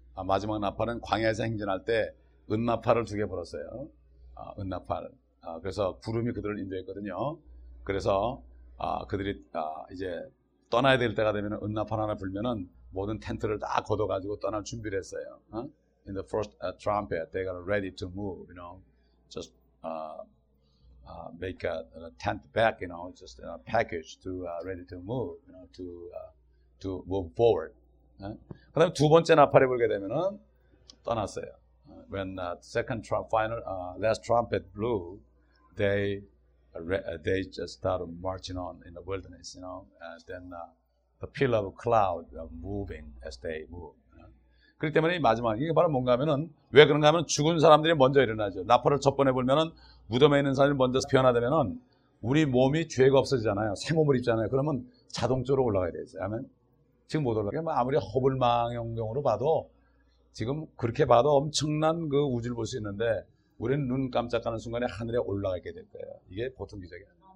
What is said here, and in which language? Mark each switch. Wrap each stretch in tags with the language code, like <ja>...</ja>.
<ko>마지막 나팔은 광야에서 행진할 때 은나팔을 두 개 불었어요. 은나팔. 그래서 구름이 그들을 인도했거든요. 그래서 그들이 이제 떠나야 될 때가 되면 은나팔 하나 불면은 모든 텐트를 다 걷어가지고 떠날 준비를 했어요.</ko> <en>In the first trumpet, they got ready to move, you know, just make a tent back, you know, just in a package to ready to move, you know, to move forward.</en> <ko>그 다음에 두 번째 나팔이 불게 되면은 떠났어요.</ko> <en>When second last trumpet blew, they just started marching on in the wilderness, you know, and then the pillar of cloud moving as they move.</en> <ko>그렇기 때문에 이 마지막 이게 바로 뭔가 하면은 왜 그런가 하면 죽은 사람들이 먼저 일어나죠. 나팔을 첫 번에 불면은 무덤에 있는 사람이 먼저 변화되면은 우리 몸이 죄가 없어지잖아요. 새 몸을 입잖아요. 그러면 자동적으로 올라가야 되죠. 아멘. 지금 못 올라가. 뭐 아무리 허블망원경으로 봐도 지금 그렇게 봐도 엄청난 그 우주를 볼 수 있는데 우리는 눈 깜짝하는 순간에 하늘에 올라가 있게 될 거예요. 이게 보통 기적이야.</ko>